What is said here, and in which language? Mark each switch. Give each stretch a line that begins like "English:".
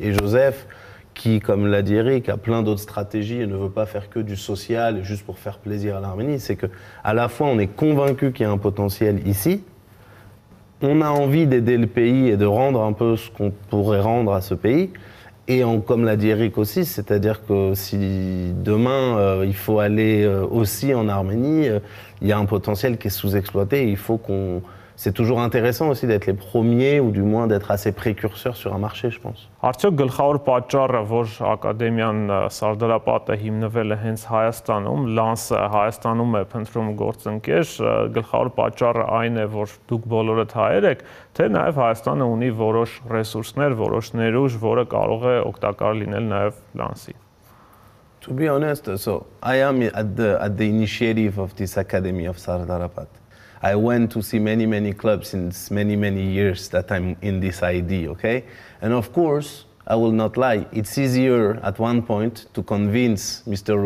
French: Et Joseph, qui, comme l'a dit Eric, a plein d'autres stratégies et ne veut pas faire que du social juste pour faire plaisir à l'Arménie, c'est qu'à la fois on est convaincu qu'il y a un potentiel ici, on a envie d'aider le pays et de rendre un peu ce qu'on pourrait rendre à ce pays, et on, comme l'a dit Eric aussi, c'est-à-dire que si demain il faut aller aussi en Arménie, il y a un potentiel qui est sous-exploité, il faut qu'on... C'est toujours intéressant aussi d'être les premiers ou du moins d'être assez précurseurs sur un marché, je pense.
Armenian: Արդյոք գլխավոր պատճառը, որ ակադեմիան սարդարապատը հիմնվել է հենց Հայաստանում, Lens-ը Հայաստանում է փնտրում գործընկեր, գլխավոր պատճառը այն է, որ դուք բոլորդ հայեր եք, թե նաև Հայաստանը ունի որոշ ռեսուրսներ, որոշ ներուժ, որը կարող է օգտակար լինել նաև Lens-ին.
English: To be honest, so I am at the initiative of this academy of Sardarapat. I went to see many, many clubs since many, many years that I'm in this ID, okay? And of course, I will not lie, it's easier at one point to convince Mr.